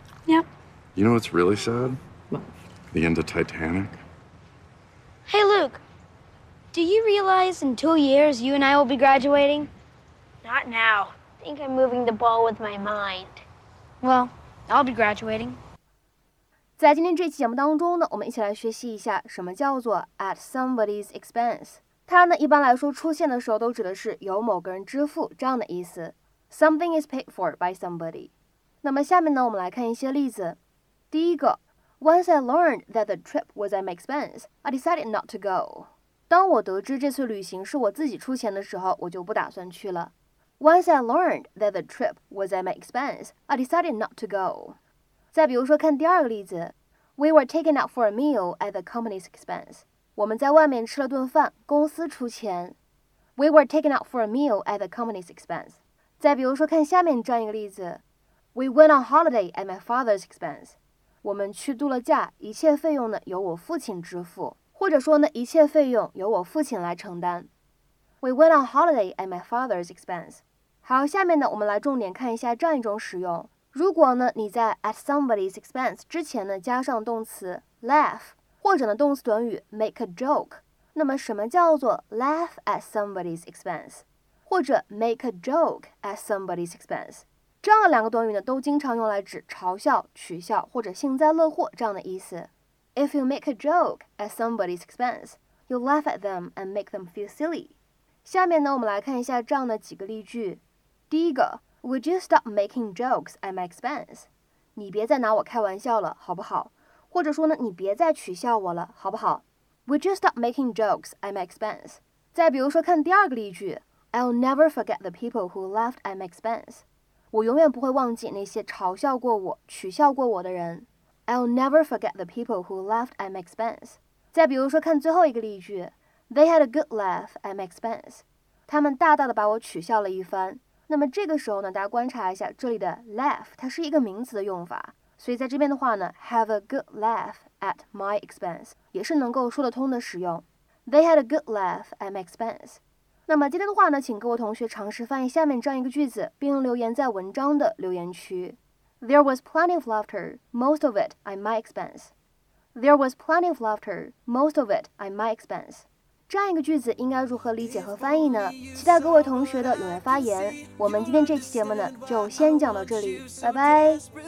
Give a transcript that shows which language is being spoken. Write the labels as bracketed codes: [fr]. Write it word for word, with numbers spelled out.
[en] Yep. You know what's really sad? What? The end of Titanic. Hey, Luke. Do you realize in two years you and I will be graduating? Not now. I think I'm moving the ball with my mind. Well... I'll be graduating. [zh] 在今天这期节目当中呢，我们一起来学习一下什么叫做 [en] at somebody's expense。 [zh] 它呢一般来说出现的时候都指的是由某个人支付这样的意思。 [en] Something is paid for by somebody。 [zh] 那么下面呢，我们来看一些例子。第一个 [en] ，Once I learned that the trip was at my expense, I decided not to go. [zh] 当我得知这次旅行是我自己出钱的时候，我就不打算去了。 [en] Once I learned that the trip was at my expense, I decided not to go. [zh] 再比如说看第二个例子 [en] We were taken out for a meal at the company's expense. [zh] 我们在外面吃了顿饭，公司出钱。 [en] We were taken out for a meal at the company's expense. [zh] 再比如说看下面这样一个例子 [en] We went on holiday at my father's expense. [zh] 我们去度了假，一切费用呢由我父亲支付，或者说呢一切费用由我父亲来承担。 [en] We went on holiday at my father's expense. [zh] 好，下面呢，我们来重点看一下这样一种使用。如果呢，你在 [en] at somebody's expense [zh] 之前呢，加上动词 laugh， 或者呢，动词短语 [en] make a joke， [zh] 那么什么叫做 [en] laugh at somebody's expense， [zh] 或者 [en] make a joke at somebody's expense？ [zh] 这样的两个短语呢，都经常用来指嘲笑、取笑或者幸灾乐祸这样的意思。 [en] If you make a joke at somebody's expense, you laugh at them and make them feel silly。 [zh] 下面呢，我们来看一下这样的几个例句。第一个 [en] ，Would you stop making jokes at my expense？ [zh] 你别再拿我开玩笑了，好不好？或者说呢，你别再取笑我了，好不好 ？ [en] Would you stop making jokes at my expense？ [zh] 再比如说，看第二个例句 [en] ，I'll never forget the people who laughed at my expense。 [zh] 我永远不会忘记那些嘲笑过我、取笑过我的人。 [en] I'll never forget the people who laughed at my expense。 [zh] 再比如说，看最后一个例句 [en] ，They had a good laugh at my expense。 [zh] 他们大大的把我取笑了一番。那么这个时候呢，大家观察一下这里的 laugh， 它是一个名词的用法，所以在这边的话呢 [en] have a good laugh at my expense [zh] 也是能够说得通的使用。 [en] They had a good laugh at my expense。 [zh] 那么今天的话呢，请各位同学尝试翻译下面这样一个句子，并留言在文章的留言区。 [en] There was plenty of laughter, most of it at my expense. There was plenty of laughter, most of it at my expense。 [zh] 这样一个句子应该如何理解和翻译呢？期待各位同学的踊跃发言。我们今天这期节目呢，就先讲到这里，拜拜。